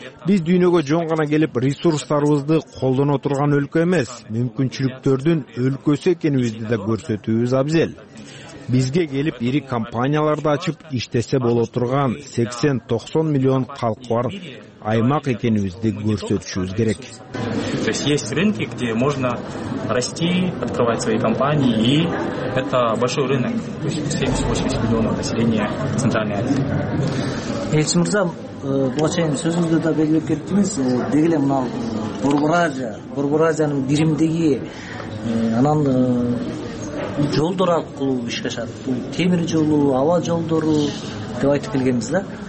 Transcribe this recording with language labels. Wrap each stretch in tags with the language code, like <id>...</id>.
<ky>Биз дүйнөгө жөн гана келип ресурстарыбызды колдоно турган өлкө эмес, мүмкүнчүлүктөрдүн өлкөсү экенибизди да көрсөтүүбүз абзел. Бизге келип ири компанияларды ачып иштесе боло турган 80-90 миллион калкы бар аймак экенибизди көрсөтүшүбүз керек.</ky> <ru>То есть есть рынки, где можно расти, открывать свои компании, и это большой рынок. То есть 70-80 миллионов населения Центральной Азии.</ru> <ky>Элчи мырза, булачайын сөзүңүздө да белгилеп кеттиңиз, деги эле мына Борбор Азия, Борбор Азиянын биримдиги анан жолдор аркылуу ишке ашат. Бул темир жолу, аба жолдору деп айтып келгенбиз да.</ky>